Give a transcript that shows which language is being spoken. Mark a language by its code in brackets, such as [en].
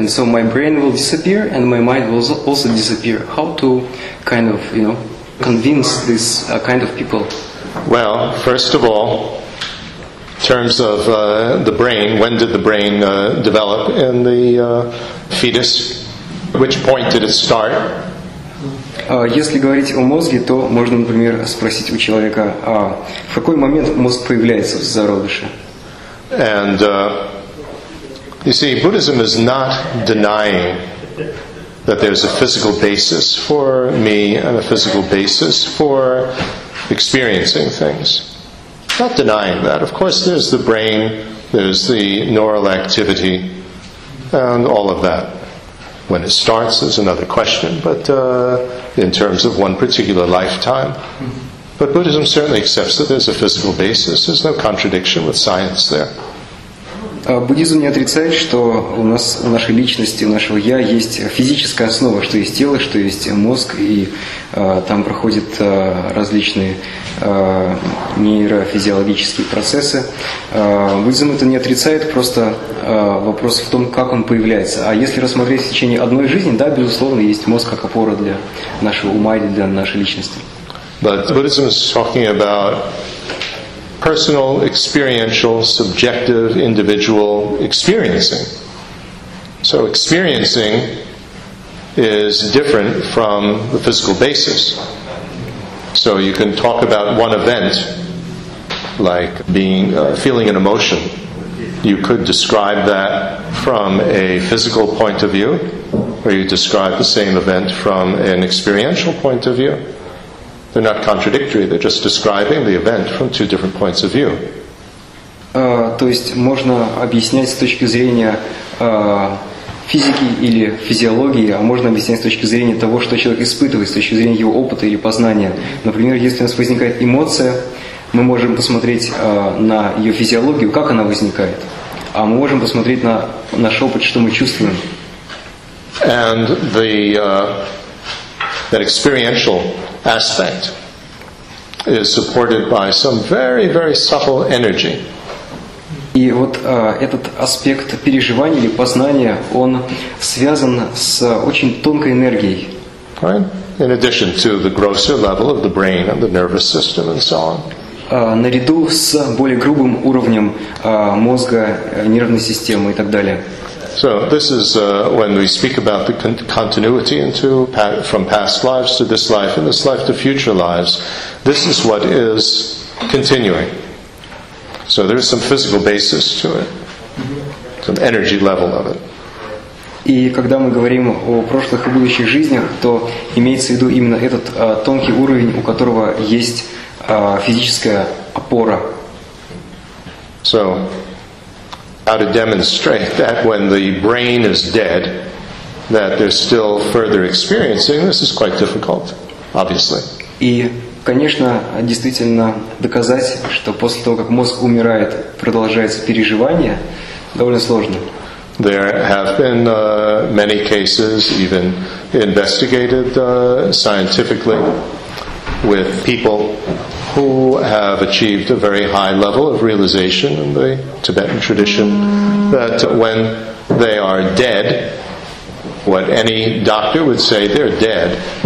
[en] And so my brain will disappear, and my mind will also disappear. How to kind of, you know, convince this kind of people? Well, first of all, in terms of the brain, when did the brain develop in the fetus? Which point did it start? [ru] Если говорить о мозге, то можно, например, спросить у человека, в какой момент мозг появляется в зародыше? [en] And you see, Buddhism is not denying that there's a physical basis for me and a physical basis for experiencing things. Not denying that. Of course, there's the brain, there's the neural activity, and all of that. When it starts is another question, but in terms of one particular lifetime. But Buddhism certainly accepts that there's a physical basis. There's no contradiction with science there. [ru] Буддизм не отрицает, что у нас, у нашей личности, у нашего «я» есть физическая основа, что есть тело, что есть мозг, и там проходят различные нейрофизиологические процессы. Буддизм это не отрицает, просто вопрос в том, как он появляется. А если рассмотреть в течение одной жизни, да, безусловно, есть мозг как опора для нашего ума и для нашей личности. [en] But Buddhism is talking about personal, experiential, subjective, individual experiencing. So experiencing is different from the physical basis. So you can talk about one event, like being feeling an emotion. You could describe that from a physical point of view, or you describe the same event from an experiential point of view. They're not contradictory, they're just describing the event from two different points of view. [ru] То есть можно объяснять с точки зрения физики или физиологии, а можно объяснять с точки зрения того, что человек испытывает, с точки зрения его опыта или познания. Например, если у нас возникает эмоция, мы можем посмотреть на ее физиологию, как она возникает, а мы можем посмотреть на наш опыт, что мы чувствуем. [en] And the that experiential aspect is supported by some very, very subtle energy. [ru] И вот этот аспект переживания или познания, он связан с очень тонкой энергией. [en] Right? In addition to the grosser level of the brain and the nervous system and so on. [ru] Наряду с более грубым уровнем мозга, нервной системы и так далее. [en] So this is when we speak about the continuity into from past lives to this life and this life to future lives. This is what is continuing. So there is some physical basis to it, some energy level of it. [ru] И когда мы говорим о прошлых и будущих жизнях, то имеется в виду именно этот тонкий уровень, у которого есть физическая опора. [en] So how to demonstrate that when the brain is dead, that there's still further experiencing, this is quite difficult, obviously. [ru] И, конечно, действительно доказать, что после того, как мозг умирает, продолжается переживание, довольно сложно. [en] There have been many cases, even investigated scientifically, with people who have achieved a very high level of realization in the Tibetan tradition, that when they are dead, what any doctor would say, they're dead.